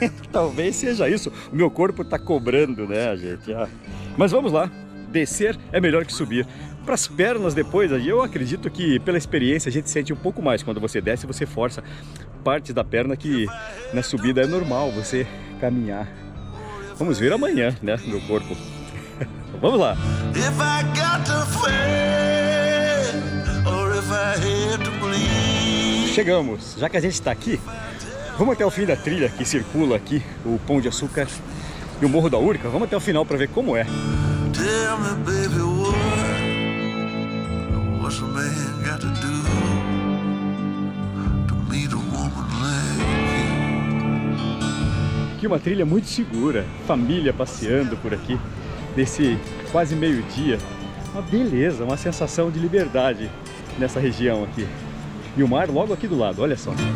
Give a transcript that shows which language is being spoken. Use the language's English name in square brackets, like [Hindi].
[Portuguese] Talvez seja isso. O meu corpo tá cobrando, né, gente? Ah. Mas vamos lá. Descer é melhor que subir. Para as pernas depois, eu acredito que pela experiência a gente sente um pouco mais. Quando você desce, você força partes da perna que na subida é normal você caminhar. Vamos ver amanhã, né, meu corpo. Vamos lá. [English] If I got to fail, or if I had to bleed. [Portuguese] Chegamos. Já que a gente está aqui, vamos até o fim da trilha que circula aqui, o Pão de Açúcar e o Morro da Urca. Vamos até o final para ver como é. [English] Tell me, baby, what's a man got to do to meet a woman like you? [Portuguese] Aqui uma trilha muito segura, família passeando por aqui nesse quase meio-dia. Uma beleza, uma sensação de liberdade nessa região aqui. E o mar logo aqui do lado, olha só.